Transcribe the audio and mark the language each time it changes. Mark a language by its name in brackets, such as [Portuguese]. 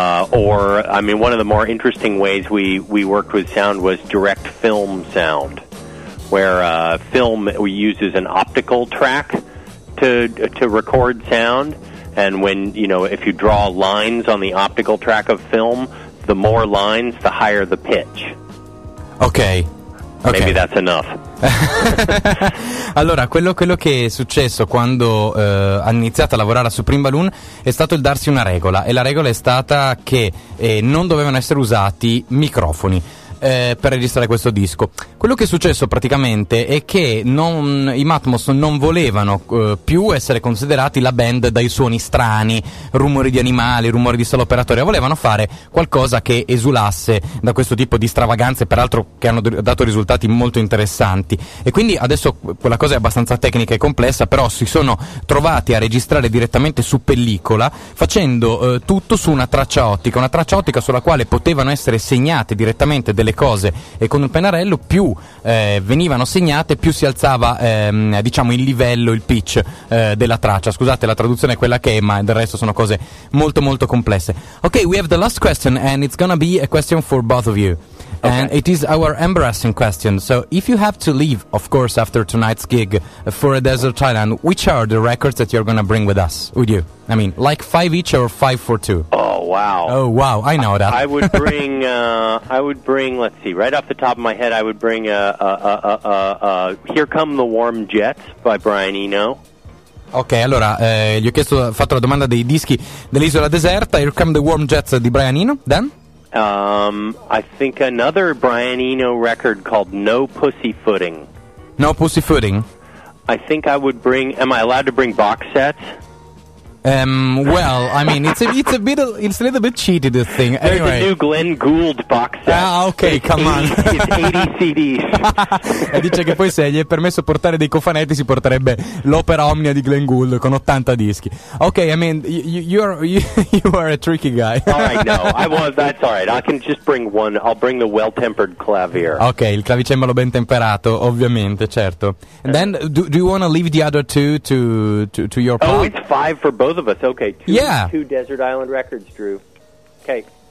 [English] One of the more interesting ways we worked with sound was direct film sound, where film uses an optical track to record sound, and when, you know, if you draw lines on the optical track of film, the more lines, the higher the pitch. Okay. Okay. Maybe that's enough. [Italian] Allora, quello che è successo quando ha iniziato a lavorare a Supreme Balloon è stato il darsi una regola, e la regola è stata che non dovevano essere usati microfoni per registrare questo disco. Quello che è successo praticamente è che i Matmos non volevano più essere considerati la band dai suoni strani, rumori di animali, rumori di sala operatoria. Volevano fare qualcosa che esulasse da questo tipo di stravaganze, peraltro che hanno dato risultati molto interessanti. E quindi adesso quella cosa è abbastanza tecnica e complessa, però si sono trovati a registrare direttamente su pellicola, facendo tutto su una traccia ottica sulla quale potevano essere segnate direttamente delle cose, e con un pennarello più venivano segnate, più si alzava diciamo il livello, il pitch della traccia. Scusate la traduzione è quella che è, ma del resto sono cose molto molto complesse. [English] Okay, we have the last question, and it's gonna be a question for both of you. Okay. And it is our embarrassing question. So if you have to leave, of course, after tonight's gig for a desert island, which are the records that you're gonna bring with us, with you? I mean, like five each or five for two? Oh wow, I know that. I would bring, let's see, right off the top of my head, I would bring Here Come the Warm Jets by Brian Eno. [Italian] Ok, allora, gli ho fatto la domanda dei dischi dell'Isola Deserta, Here Come the Warm Jets di Brian Eno, Dan? [English] I think another Brian Eno record called No Pussyfooting. No Pussyfooting? I think I would bring, am I allowed to bring box sets? Well, I mean, it's a little bit cheated, this thing. There's anyway. A new Glenn Gould box set. Ah, okay, come on. It's 80 CDs. [Italian] E dice che poi se gli è permesso portare dei cofanetti si porterebbe l'opera omnia di Glenn Gould con 80 dischi. [English] Okay, I mean, you are a tricky guy. All right, no, that's all right. I can just bring one. I'll bring the well-tempered clavier. [Italian] Okay, il clavicembalo ben temperato, ovviamente, certo. [English] And then, do you want to leave the other two to your pal? Oh, it's five for both of us. Okay, two Desert Island Records, Drew. Okay.